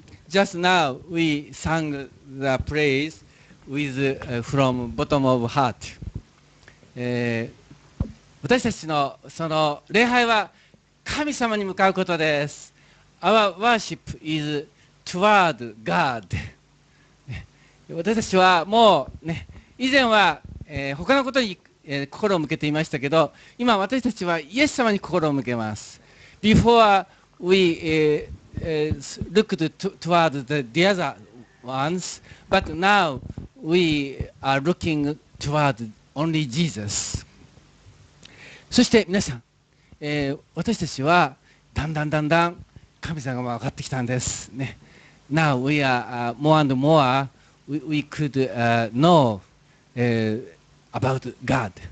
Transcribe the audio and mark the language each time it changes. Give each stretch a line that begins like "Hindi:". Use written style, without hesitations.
English: Just now we sang the praise with, from bottom of heart、
Japanese: 私たちのその礼拝は神様に向かうことです。
English: Our worship is toward God。
Japanese: 私たちはもうね、以前は、他のことに心を向けていましたけど、今私たちはイエス様に心を向けます。
English: Before we looked toward the other ones, but now we are looking toward only Jesus。
Japanese: そして皆さん、私たちはだんだんだんだん神様が分かってきたんですね。
English: Now we are more and more we could know、about God。